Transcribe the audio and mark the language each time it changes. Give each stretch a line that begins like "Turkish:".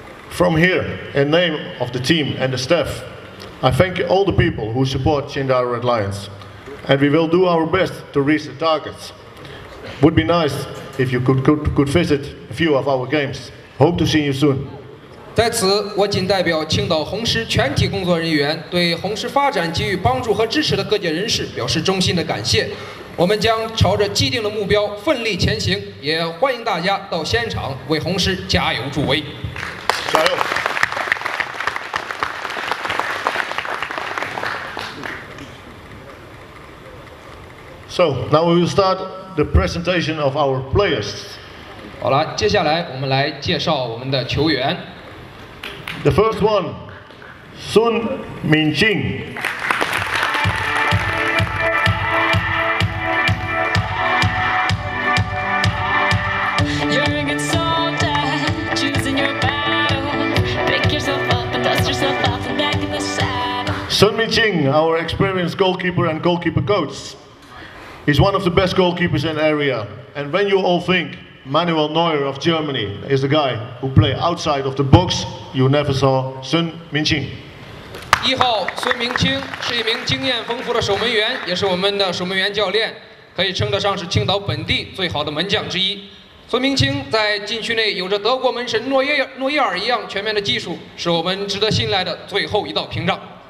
English: From here, in name of the team and the staff, I thank all the people who support Qingdao Red Lions, and we will do our best to reach the targets. Would be nice if you could visit a few of our games. Hope to see you soon.
Chinese: 在此，我仅代表青岛红狮全体工作人员，对红狮发展给予帮助和支持的各界人士表示衷心的感谢。我们将朝着既定的目标奋力前行，也欢迎大家到现场为红狮加油助威。加油
English: ！So now we will start the presentation of our players.
Chinese: 好了，接下来我们来介绍我们的球员。
English: The first one, Sun Minqing. You're a good soldier, choosing your battle. Pick yourself up and dust yourself off and back in the saddle. Sun Minqing, our experienced goalkeeper and goalkeeper coach, is one of the best goalkeepers in the area. And when you all think,Manuel Neuer of Germany is the guy who played outside of the box. You never saw Sun Minqing.
Chinese: 一号孙明清是一名经验丰富的守门员，也是我们的守门员教练，可以称得上是青岛本地最好的门将之一。孙明清在禁区内有着德国门神诺伊尔一样全面的技术，是我们值得信赖的最后一道屏障。